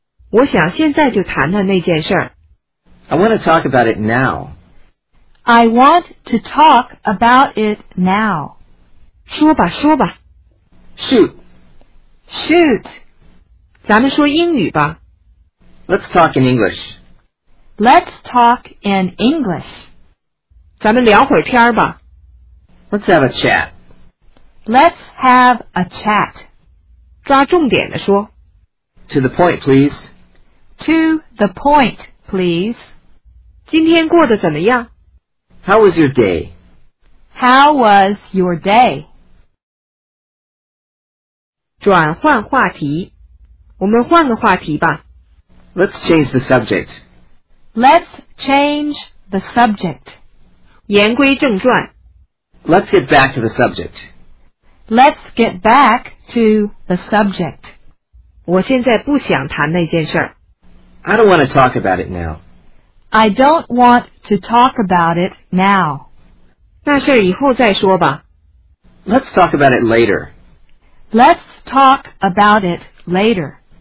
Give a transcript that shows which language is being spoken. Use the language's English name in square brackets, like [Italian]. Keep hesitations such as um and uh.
[Chinese] 我想现在就谈谈那件事儿。 [English] I want to talk about it now. I want to talk about it now. [Chinese] 说吧，说吧。 [English] Shoot. Shoot. [Chinese] 咱们说英语吧。 [English] Let's talk in English. Let's talk in English. [Chinese] 咱们聊会儿天儿吧。 [English] Let's have a chat. Let's have a chat. Let's have a chat. [Chinese] 抓重点的说。 [English] To the point, please. To the point, please. [Chinese] 今天过得怎么样 [English] ？How was your day? How was your day? [Chinese] 转换话题，我们换个话题吧。 [English] Let's change the subject. Let's change the subject. [Chinese] 言归正传。 [English] Let's get back to the subject. Let's get back to the subject. [Chinese] 我现在不想谈那件事儿. [English] I don't want to talk about it now. I don't want to talk about it now. [Chinese] 那事儿以后再说吧. [English] Let's talk about it later. Let's talk about it later.